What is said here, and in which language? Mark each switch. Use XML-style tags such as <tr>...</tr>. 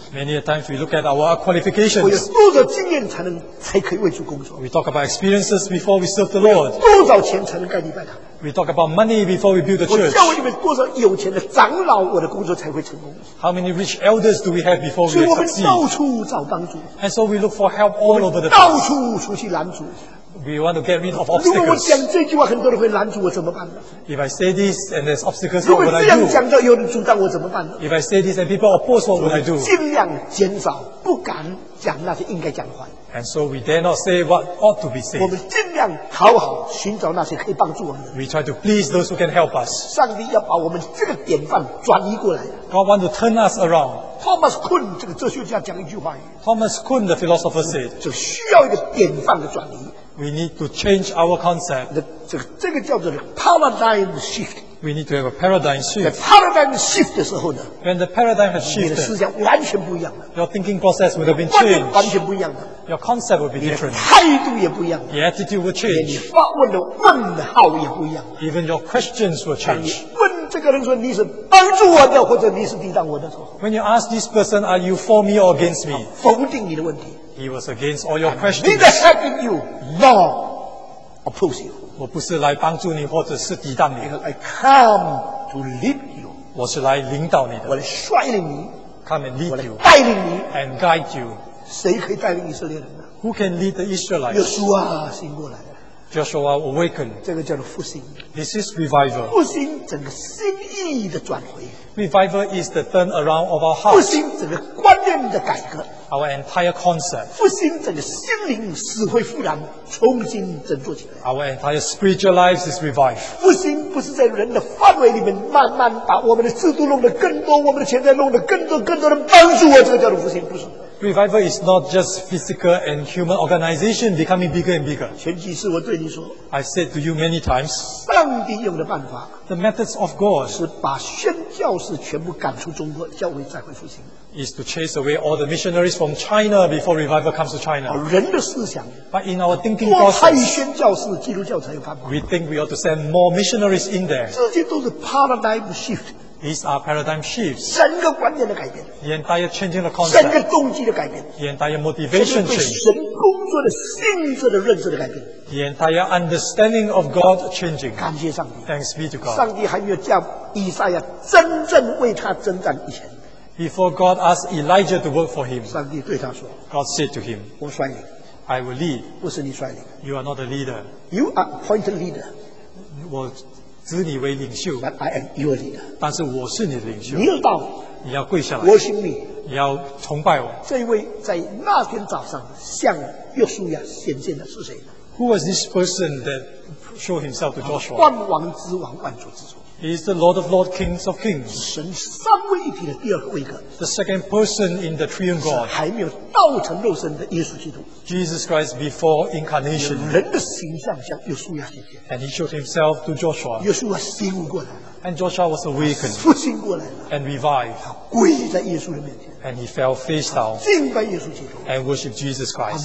<en>？Many a times we look at our qualifications.</en> <zh>我有多少经验才可以为主工作</zh> <en>？We talk about experiences before we serve the Lord.</en> <zh>多少钱才能盖礼拜堂</zh> <en>We talk about money before we build the church.</en> <zh>我教会里面多少有钱的长老，我的工作才会成功。</zh> <en>How many rich elders do we have before we succeed?</en> <zh>所以我们到处找帮助。</zh> <en>And so we look for help all over the place.</en> <zh>到处出去拦阻。</zh> <en>We want to get rid of obstacles.</en> <zh>如果我讲这句话，很多人会拦阻我，怎么办呢？</zh> <en>If I say this and there's obstacles, what would I do?</en> <zh>如果这样讲到有人阻挡我，怎么办呢？</zh> <en>If I say this and people oppose, what would I do?</en> <zh>尽量减少，不敢讲那些应该讲的话。</zh> <en>And so we dare not say what ought to be said.</en> <zh>我们尽量讨好，寻找那些可以帮助我们。</zh> <en>We try to please those who can help us.</en> <zh>上帝要把我们这个典范转移过来。</zh> <en>God wants to turn us around.</en> <zh>Thomas Kuhn 这个哲学家讲一句话。</zh> <en>Thomas Kuhn, the philosopher said,</en> <zh>就需要一个典范的转移。</zh> <en>We need to change our concept.</en> <zh>这个叫做 paradigm shift.</zh> <en>We need to have a paradigm shift.</en> <zh>在 paradigm shift 的时候呢，</zh> <en>when the paradigm has shifted,</en> <zh>你的思想完全不一样了。</zh> <en>Your thinking process would have been changed.</en> <zh>完全不一样了。</zh> <en>Your concept would be different.</en> <zh>你的态度也不一样了。</zh> <en>The attitude would change.</en> <zh>你发问的问号也不一样了。</zh> <en>Even your questions would change.</en> <zh>问这个人说你是帮助我的，或者你是抵挡我的时候，</zh> <en>when you ask this person, are you for me or against me?</en> <zh>否定你的问题。</zh> <en>He was against all your questions. Neither have you, nor oppose you.</en> <zh>我不是来帮助你，或者是抵挡你。</zh> <en>I come to lead you.</en> <zh>我是来领导你的。我来率领你。</zh> <en>Come and lead you.</en> <zh>我来带领你。</zh> <en>And guide you.</en> <zh>谁可以带领以色列人呢？</zh> <en>Who can lead the Israelites?</en> <zh>约书亚醒过来。</zh> <en>Joshua awakened.</en> <zh>这个叫做复兴。</zh> <en>This is revival.</en> <zh>复兴整个心意的转回。</zh> <en>Revival is the turn around of our hearts.</en> <zh>复兴整个观念的改革。</zh> <en>Our entire concept.</en> <zh>复兴整个心灵死灰复燃，重新振作起来。</zh> <en>Our entire spiritual lives is revived.</en> <zh>复兴不是在人的范围里面慢慢把我们的制度弄得更多，我们的钱财弄得更多，更多人帮助我，这个叫做复兴，不是。</zh> <en>Revival is not just physical and human organization becoming bigger and bigger.</en> <zh>前几次我对你说，</zh> <en>I said to you many times,</en> <zh>上帝用的办法，</zh> <en>the methods of God,</en> <zh>是把宣教士全部赶出中国，教会再会复兴。</zh> <en>Is to chase away all the missionaries from China before revival comes to China.</en> <zh>人的思想，</zh> <en>but in our thinking process,</en> <zh>多派宣教士，基督教才有办法。</zh> <en>We think we ought to send more missionaries in there.</en> <zh>这些都是 paradigm shift。</zh> <en>These are paradigm shifts.</en> <zh>整个观念的改变。</zh> <en>The entire changing the concept.</en> <zh>整个动机的改变。</zh> <en>The entire motivation change.</en> <zh>整个对神工作的性质的认识的改变。</zh> <en>The entire understanding of God changing.</en> <zh>感谢上帝。</zh> <en>Thanks be to God.</en> <zh>上帝还没有叫以赛亚真正为他征战以前。</zh> <en>Before God asked Elijah to work for him.</en> <zh>上帝对他说。</zh> <en>God said to him.</en> <zh>我率领。</zh> <en>I will lead.</en> <zh>不是你率领。</zh> <en>You are not a leader. You are appointed leader.</en> <zh>我指你为领袖，</zh> <en>But I am your leader.</en> <zh>但是我是你的领袖。你要到，你要跪下来。我请你，你要崇拜我。这位在那天早上向约书亚显现的是谁呢？</zh> <en>Who was this person that showed himself to Joshua?</en> <zh>万王之王，万主之主。</zh> <en>He is the Lord of Lords, Kings of Kings.</en> <zh>神三位一体的第二位格。</zh> <en>The second person in the triune God.</en> <zh>还没有道成肉身的耶稣基督。</zh> <en>Jesus Christ before incarnation.</en> <zh>用人的形象向约书亚显现。</zh> <en>And he showed himself to Joshua.</en> <zh>约书亚醒悟过来了。</zh> <en>And Joshua was awakened.</en> <zh>复兴过来了。</zh> <en>And revived.</en> <zh>他跪在耶稣的面前。</zh> <en>And he fell face down.</en> <zh>敬拜耶稣基督。</zh> <en>And worshiped Jesus Christ.</en>